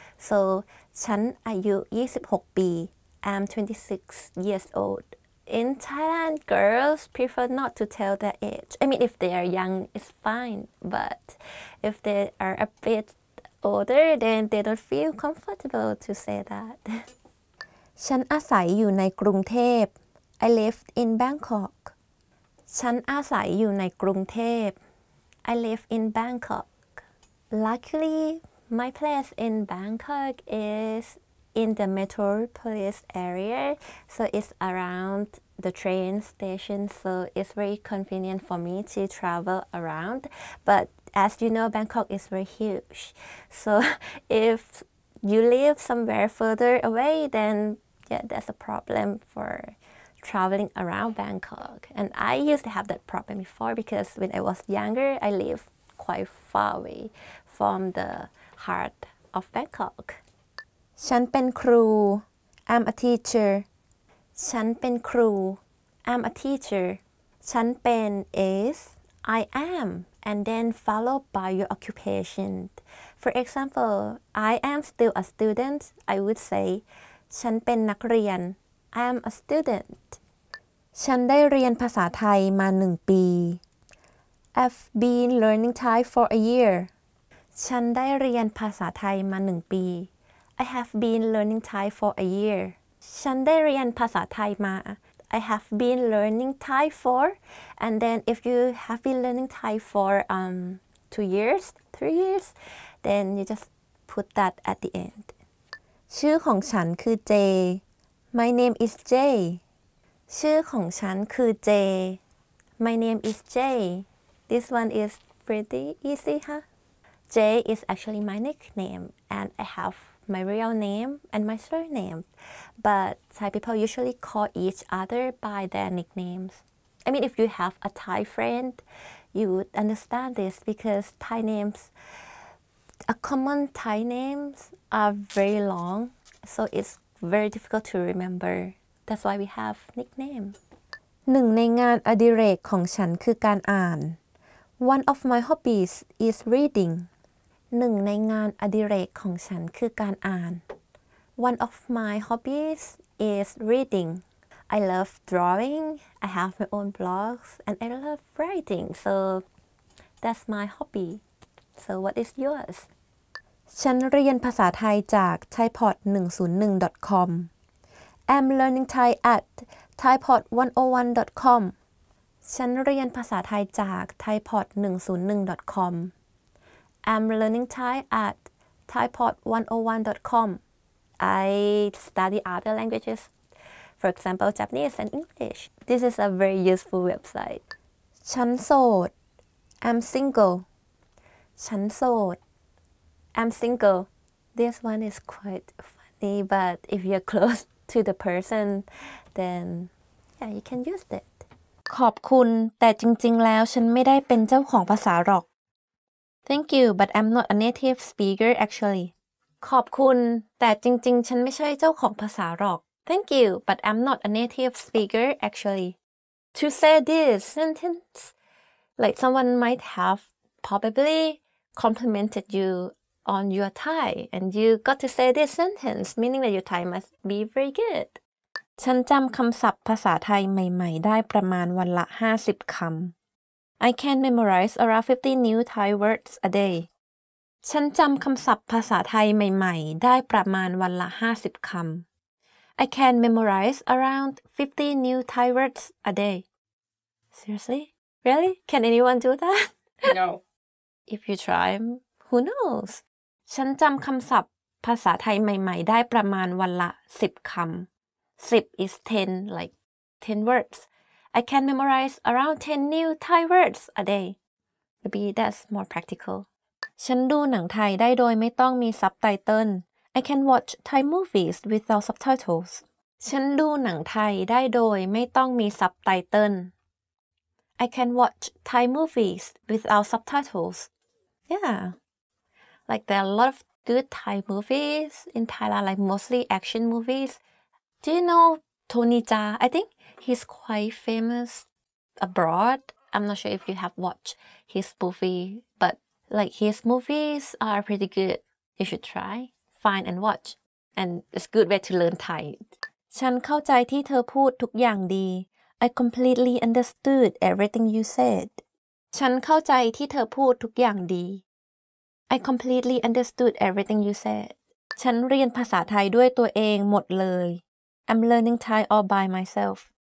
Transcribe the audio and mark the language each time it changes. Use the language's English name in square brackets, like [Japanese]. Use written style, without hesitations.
[English] So, [Thai] ฉันอายุ26ปี [English] I'm 26 years old. In Thailand, girls prefer not to tell their age. I mean, if they are young, it's fine. But if they are a bit older, then they don't feel comfortable to say that. [Thai] ฉันอาศัยอยู่ในกรุงเทพ [English] I live in Bangkok. [Thai] ฉันอาศัยอยู่ในกรุงเทพ [English] I live in Bangkok. Luckily, my place in Bangkok is... In the metropolis area, so it's around the train station, so it's very convenient for me to travel around. But as you know, Bangkok is very huge. So if you live somewhere further away, then yeah, that's a problem for traveling around Bangkok. And I used to have that problem before because when I was younger, I lived quite far away from the heart of Bangkok. [Thai] ฉันเป็นครู [English] I'm a teacher [Thai] ฉันเป็นครู [English] I'm a teacher ฉันเป็น is I am and then followed by your occupation For example I am still a student I would say [Thai] ฉันเป็นนักเรียน [English] I'm a student [Thai] ฉันได้เรียนภาษาไทยมา1ปี [English] I've been learning Thai for a year [Thai] ฉันได้เรียนภาษาไทยมา1ปี [English] I have been learning Thai for a year. [Thai] ฉันได้เรียนภาษาไทยมา [English] I have been learning Thai for. And then if you have been learning Thai for 2 years, 3 years, then you just put that at the end. [Thai] ชื่อของฉันคือ [English] Jay. My name is Jay. [Thai] ชื่อของฉันคือ [English] Jay. My name is Jay. This one is pretty easy, huh? Jay is actually my nickname and I havemy real name and my surname but Thai people usually call each other by their nicknames I mean if you have a Thai friend you would understand this because Thai names a common Thai names are very long, so it's very difficult to remember. That's why we have nickname. [Thai] หนึ่งในงานอดิเรกของฉันคือการอ่าน [English] One of my hobbies is reading. [Thai] หนึ่งในงานอดิเรกของฉันคือการอ่าน [English] One of my hobbies is reading. I love drawing. I have my own blogs and I love writing. So that's my hobby. So what is yours? [Thai] ฉันเรียนภาษาไทยจาก thaipod101.com. [English] I'm learning Thai at thaipod101.com. [Thai] ฉันเรียนภาษาไทยจาก thaipod101.com. [English] I'm learning Thai at thaipod101.com. I study other languages, for example, Japanese and English. This is a very useful website. [Thai] ฉันโสด [English] I'm single. [Thai] ฉันโสด [English] I'm single. This one is quite funny, but if you're close to the person, then yeah, you can use it. [Thai] ขอบคุณแต่จริงๆแล้วฉันไม่ได้เป็นเจ้าของภาษาหรอก [English] Thank you, but I'm not a native speaker actually. [Thai] ขอบคุณแต่จริงๆฉันไม่ใช่เจ้าของภาษาหรอก [English] Thank you, but I'm not a native speaker actually. To say this sentence, like someone might have probably complimented you on your Thai, and you got to say this sentence, meaning that your Thai must be very good. [Thai] ฉันจำคำศัพท์ภาษาไทยใหม่ๆได้ประมาณวันละ50คำ [English] I can memorize around 50 new Thai words a day [Thai] ฉันจำคำศัพท์ภาษาไทยใหม่ๆได้ประมาณวันละ50คำ I can memorize around 50 new Thai words a day [English] Seriously? Really? Can anyone do that? No If you try, who knows? [Thai] ฉันจำคำศัพท์ภาษาไทยใหม่ๆได้ประมาณวันละ10คำ [English] 10 is 10, like 10 words. I can memorize around 10 new Thai words a day. Maybe that's more practical. [Thai] ฉันดูหนังไทยได้โดยไม่ต้องมีซับไตเติ้ล [English] I can watch Thai movies without subtitles. [Thai] ฉันดูหนังไทยได้โดยไม่ต้องมีซับไตเติ้ล [English] I can watch Thai movies without subtitles. Yeah. Like there are a lot of good Thai movies in Thailand, like mostly action moviesDo you know Tony Jaa? I think he's quite famous abroad. I'm not sure if you have watched his movie, but like his movies are pretty good. You should try, find and watch. And it's a good way to learn Thai. [Thai] ฉันเข้าใจที่เธอพูดทุกอย่างดี [English] I completely understood everything you said. [Thai] ฉันเข้าใจที่เธอพูดทุกอย่างดี [English] I completely understood everything you said. [Thai] ฉันเรียนภาษาไทยด้วยตัวเองหมดเลย [English] I'm learning Thai all by myself.